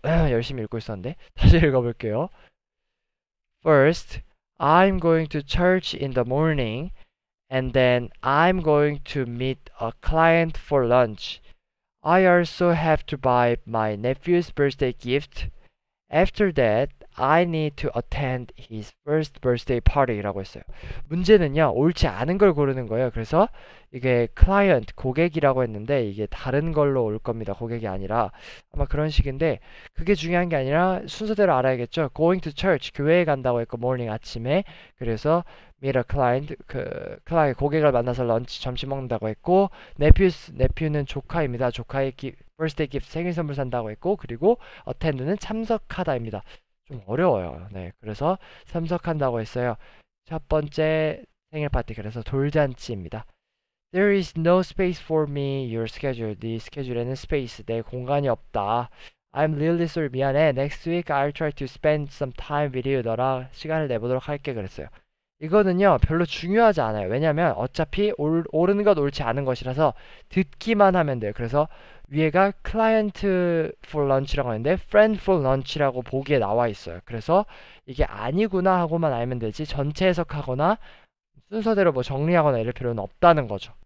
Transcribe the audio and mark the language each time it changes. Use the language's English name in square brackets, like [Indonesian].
[Korean] 열심히 읽고 있었는데 다시 읽어볼게요. [English] First, I'm going to church in the morning, and then I'm going to meet a client for lunch. I also have to buy my nephew's birthday gift. After that, I need to attend his first birthday party [Korean] 라고 했어요. 문제는요, 옳지 않은 걸 고르는 거예요. 그래서 이게 클라이언트, 고객이라고 했는데 이게 다른 걸로 올 겁니다. 고객이 아니라. 아마 그런 식인데 그게 중요한 게 아니라 순서대로 알아야겠죠? [English] Going to church, [Korean] 교회에 간다고 했고, morning 아침에. 그래서 [English] meet a client, [Korean] 고객을 만나서 런치, 점심 먹는다고 했고, nephew는 조카입니다. 조카의 birthday gift, 생일 선물 산다고 했고, 그리고 attend는 참석하다입니다. 좀 어려워요. 네. 그래서 참석한다고 했어요. 첫 번째 생일 파티, 그래서 돌잔치입니다. [English] There is no space for me, your schedule. [Korean] 네 스케줄에는 space, 내 공간이 없다. [English] I'm really sorry, [Korean] 미안해. [English] Next week I'll try to spend some time with you. [Korean] 너랑 시간을 내보도록 할게, 그랬어요. 이거는요, 별로 중요하지 않아요. 왜냐면 어차피 옳은 것, 옳지 않은 것이라서 듣기만 하면 돼요. 그래서 위에가 [English] client for lunch [Korean] 라고 하는데 [English] friend for lunch [Korean] 라고 보기에 나와 있어요. 그래서 이게 아니구나 하고만 알면 되지 전체 해석하거나 순서대로 뭐 정리하거나 이럴 필요는 없다는 거죠.